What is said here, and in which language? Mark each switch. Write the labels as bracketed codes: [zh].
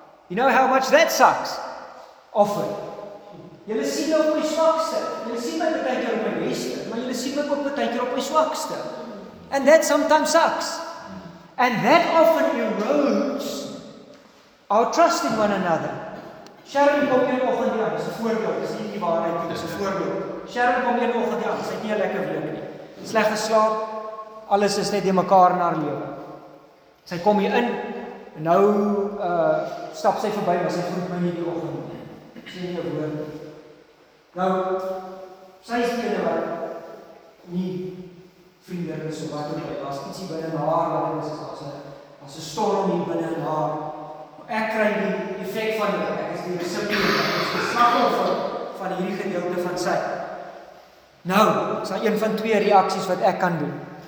[en] You know how much that sucks? Often. [af] Julle sien nou op my swakste. Julle sien my baie keer op my beste, maar julle sien my ook baie keer op my swakste. [en] And that sometimes sucks. And that often erodes our trust in one another. [af] Sharon kom een oggend hier, is 'n voorbeeld, is nie die waarheid nie, is 'n voorbeeld. Sharon kom een oggend hier, sy het nie 'n lekker week nie. Sleg geslaap, alles is net deurmekaar in haar lewe. Sy kom hier in en nou stap sy verby en sy groet my nie die oggend nie. Sien jy hoor? Nou, sy is die ene wat nie vriendelik is of wat ook al, daar's ietsie binne haar wat ons is, daar's 'n storm hier binne haar. Ek kry die effek van dit. Ek is die resipient, ek is die slagoffer van hierdie gedeelte van sy. Nou, is daar een van twee reaksies wat ek kan doen.